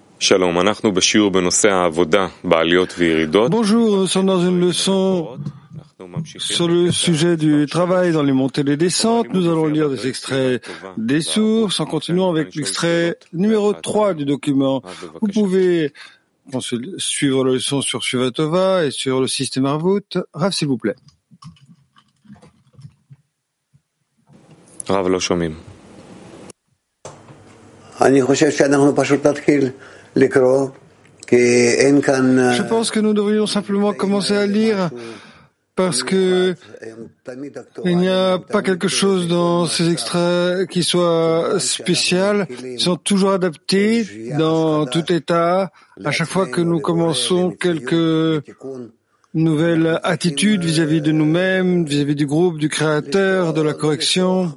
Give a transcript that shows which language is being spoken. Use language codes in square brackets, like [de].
[he] Shalom, אנחנו בשיעור בנושא העבודה, בעליות וירידות. [fr] Bonjour, nous sommes dans une leçon sur le sujet du travail dans les montées et les descentes. Nous allons lire des extraits des sources en continuant avec l'extrait numéro 3 du document. Vous pouvez suivre la leçon sur Shiva Tova et sur le système Arvut. Rav, s'il vous plaît. [he] Rav, lo shomim. אני חושב שאנחנו פשוט נתחיל לקרוא, כי אין כאן... [fr] Je pense que nous devrions simplement commencer à lire, parce que il n'y a pas quelque chose dans ces extraits qui soit spécial. Ils sont toujours adaptés dans tout état, à chaque fois que nous commençons quelque nouvelle attitude vis-à-vis de nous-mêmes, vis-à-vis du groupe, du créateur, de la correction.